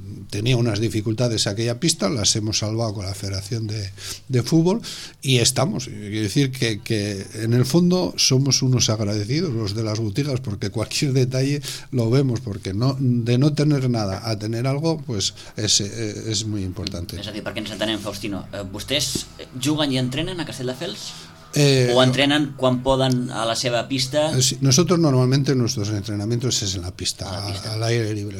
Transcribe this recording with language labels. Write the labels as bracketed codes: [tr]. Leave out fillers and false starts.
[es] Tenía unas dificultades aquella pista, las hemos salvado con la Federación de Fútbol, y estamos. Quiero decir que en el fondo somos unos agradecidos, los de las Butigas, porque cualquier detalle lo vemos, porque no, de no tener nada a tener algo, pues es muy importante. [ca] Es a dir, perquè ens entenem, Faustino, vostès juguen i entrenen a Castelldefels? [es] ¿O entrenan cuando puedan [ca] a la seva pista? [es] Sí, nosotros normalmente nuestros entrenamientos es en la pista, al aire libre.